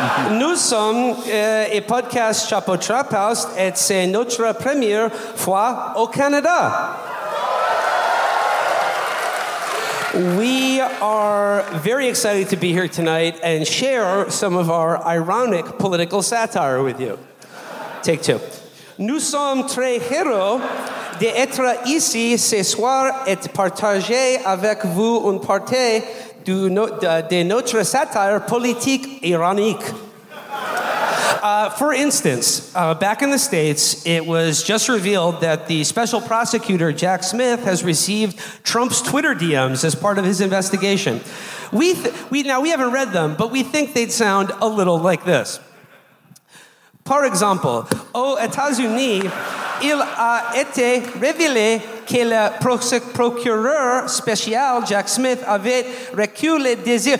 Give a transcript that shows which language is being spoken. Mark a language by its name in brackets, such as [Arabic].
[French] Nous sommes un podcast Chapo Trap House, et c'est notre première fois au Canada. [English] We are very excited to be here tonight and share some of our ironic political satire with you. Take two. [French] Nous sommes très heureux d'être ici ce soir et partager avec vous une partie de notre satire politique ironique. [English] For instance, back in the States, it was just revealed that the special prosecutor, Jack Smith, has received Trump's Twitter DMs as part of his investigation. We haven't read them, but we think they'd sound a little like this. [French] Par exemple, aux États-Unis, il a été révélé que le procureur spécial, Jack Smith, avait reculé les désirs.